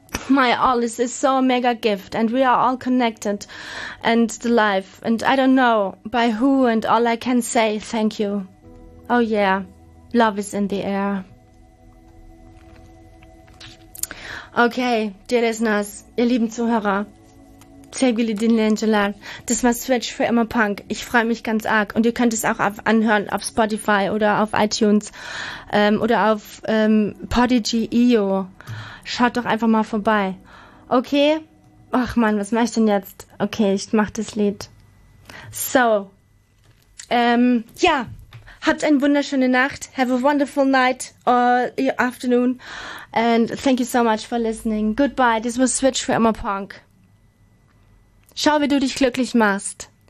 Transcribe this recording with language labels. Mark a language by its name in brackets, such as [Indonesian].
[English] my all is so a mega gift, and we are all connected and the life, and I don't know by who, and all I can say thank you. Oh yeah, love is in the air. Okay, dear listeners, [German] ihr lieben Zuhörer, [Turkish] Sevgili Dinlangela, [German] das war Switch für Emma Punk. Ich freue mich ganz arg. Und ihr könnt es auch anhören auf Spotify oder auf iTunes oder auf Podigy.io. Schaut doch einfach mal vorbei. Okay? Ach man, was mache ich denn jetzt? Okay, ich mache das Lied. So. Ja. Habt eine wunderschöne Nacht. [English] Have a wonderful night or your afternoon. And thank you so much for listening. Goodbye. This was Switch for Emma Punk. [German] Schau, wie du dich glücklich machst.